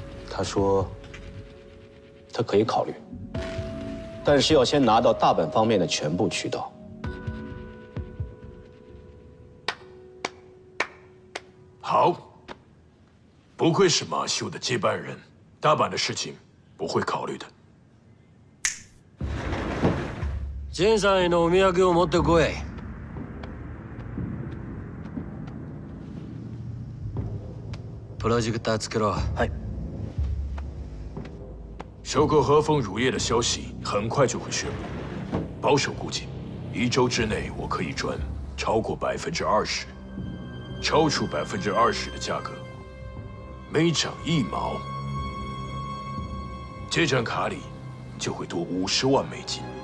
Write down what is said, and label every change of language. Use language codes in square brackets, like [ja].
[zh] 他说他可以考虑，但是要先拿到大本方面的全部渠道。好，不愧是马修的接班人，大阪的事情不会考虑的。 [ja] 陣さんへのお土産を持ってこい。プロジェクターつけろ。はい。 [zh] 收购和风乳业的消息很快就会宣布，保守估计一周之内我可以赚超过20%，超出20%的价格，每涨一毛，这张卡里就会多50万美金。